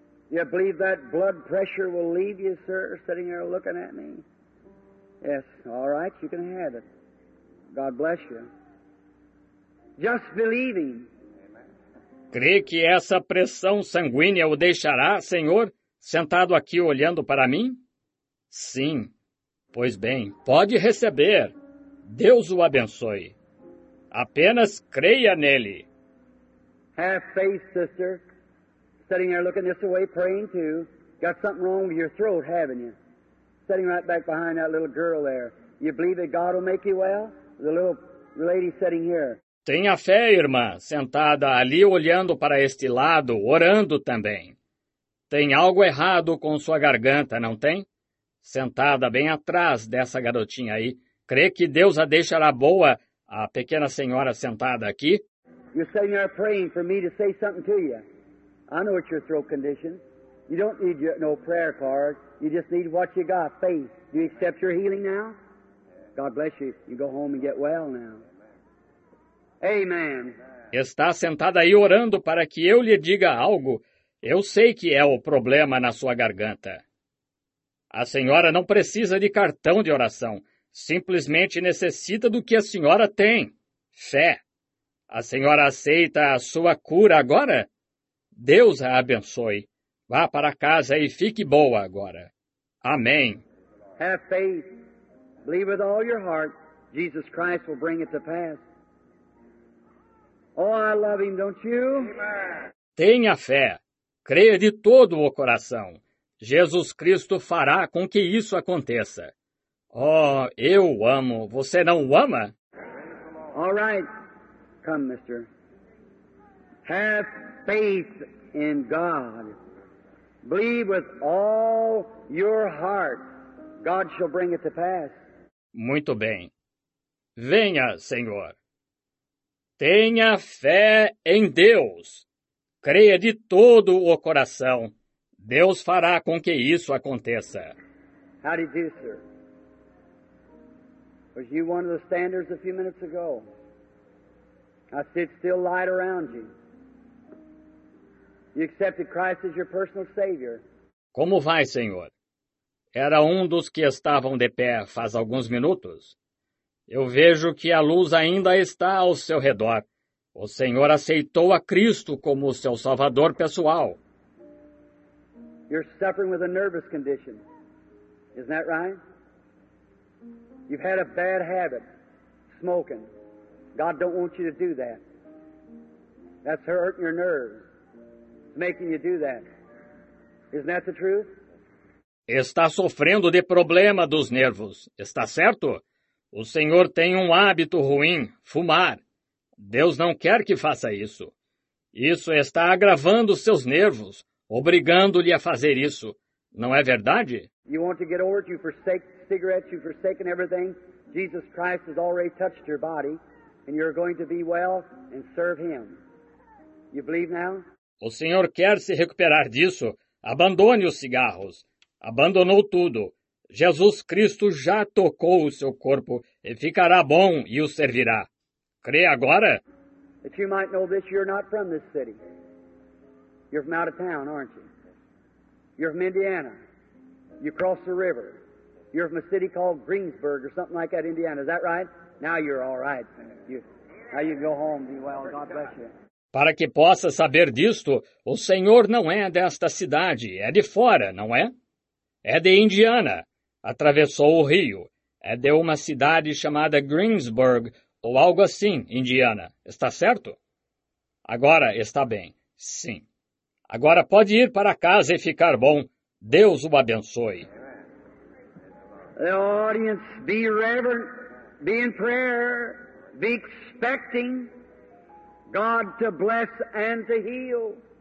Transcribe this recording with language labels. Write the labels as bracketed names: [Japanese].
[English] You believe that blood pressure will leave you, sir, sitting there looking at me? Yes, all right, you can have it. God bless you. Just believing. [Portuguese] Crê que essa pressão sanguínea o deixará, Senhor, sentado aqui olhando para mim? Sim. Pois bem, pode receber. Deus o abençoe. Apenas creia nele. [English] Have faith, sister. Sitting there looking this way, praying too. Got something wrong with your throat, haven't you? Sitting right back behind that little girl there. You believe that God will make you well? The little lady sitting here. [Portuguese] Tenha fé, irmã, sentada ali olhando para este lado, orando também. Tem algo errado com sua garganta, não tem? Sentada bem atrás dessa garotinha aí. Crê que Deus a deixará boa, a pequena senhora sentada aqui? [English] You're sitting there praying for me to say something to you. I know it's your throat condition. You don't need no prayer card. You just need what you got, faith. Do you accept your healing now? God bless you. You go home and get well now. Amen. [Portuguese] Está sentada aí orando para que eu lhe diga algo. Eu sei que é o problema na sua garganta. A senhora não precisa de cartão de oração. Simplesmente necessita do que a senhora tem. Fé. A senhora aceita a sua cura agora? Deus a abençoe. Vá para casa e fique boa agora. Amém. [English] Have faith. Believe with all your heart. Jesus Christ will bring it to pass. Oh, I love him, don't you? [Portuguese] Tenha fé. Creia de todo o coração. Jesus Cristo fará com que isso aconteça. Oh, eu o amo. Você não o ama? [English] All right. Come, mister. Have faith in God. Believe with all your heart. God shall bring it to pass. [Portuguese] Muito bem. Venha, Senhor. Tenha fé em Deus. Creia de todo o coração. Deus fará com que isso aconteça. [English] How did you do, sir? Was you one of the standers a few minutes ago? I sit still light around you. You accepted Christ as your personal Savior. [Portuguese] Como vai, Senhor? Era um dos que estavam de pé faz alguns minutos. Eu vejo que a luz ainda está ao seu redor. O Senhor aceitou a Cristo como seu Salvador pessoal. [English] You're suffering with a nervous condition. Isn't that right? You've had a bad habit, smoking. God don't want you to do that. That's hurting your nerves. It's making you do that. Isn't that the truth? [Portuguese] Está sofrendo de problema dos nervos, está certo? O Senhor tem um hábito ruim, fumar. Deus não quer que faça isso. Isso está agravando seus nervos, obrigando-lhe a fazer isso. Não é verdade? [English] You want to get over it, you forsake cigarettes, you've forsaken everything. Jesus Christ has already touched your body, and you're going to be well and serve Him. You believe now? [Portuguese] O Senhor quer se recuperar disso. Abandone os cigarros. Abandonou tudo. Jesus Cristo já tocou o seu corpo e ficará bom e o servirá. Crê agora? [English] That you might know this, you're not from this city. You're from out of town, aren't you? You're from Indiana. You cross the river. You're from a city called Greensburg or something like that, Indiana. Is that right? Now you're all right. Now you can go home, be well. God bless you. [Portuguese] Para que possa saber disto, o Senhor não é desta cidade. É de fora, não é? É de Indiana. Atravessou o rio. É de uma cidade chamada Greensburg, ou algo assim, Indiana. Está certo? Agora está bem. Sim. Agora pode ir para casa e ficar bom. Deus o abençoe. [English] The audience, be reverent, be in prayer, be expecting God to bless and to heal.